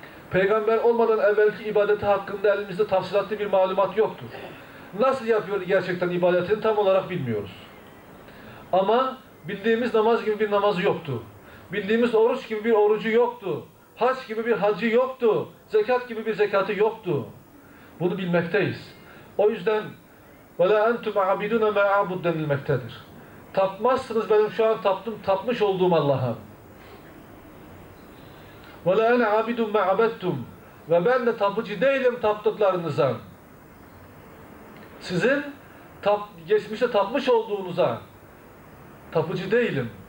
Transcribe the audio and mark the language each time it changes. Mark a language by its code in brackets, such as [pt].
[tr] Peygamber olmadan evvelki ibadeti hakkında elimizde tafsilatlı bir malumat yoktur. Nasıl yapıyor gerçekten ibadetini tam olarak bilmiyoruz. Ama bildiğimiz namaz gibi bir namazı yoktu. Bildiğimiz oruç gibi bir orucu yoktu. Hac gibi bir hacı yoktu. Zekat gibi bir zekatı yoktu. Bunu bilmekteyiz. O yüzden [ar] وَلَا أَنْتُمْ عَبِدُونَ مَا عَبُدْ [tr] denilmektedir. Tapmazsınız benim şu an taptım, tapmış olduğum Allah'a. [ar] وَلَا أَنْ عَبِدُونَ مَا عَبَدْتُمْ [tr] ve ben de tapıcı değilim taptıklarınıza. Sizin geçmişte tapmış olduğunuza tapıcı değilim.